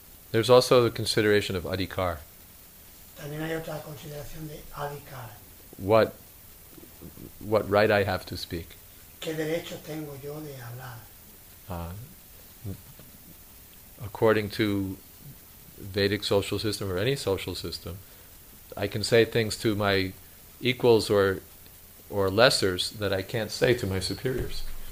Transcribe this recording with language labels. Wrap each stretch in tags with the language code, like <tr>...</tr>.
<en>There's also the consideration of adhikar.</en> <es>También hay otra consideración de adhikar.</es> <en>What right I have to speak?</en> <es>¿Qué derecho tengo yo de hablar?</es> <en>According to Vedic social system or any social system, I can say things to my equals or lessers that I can't say to my superiors.</en>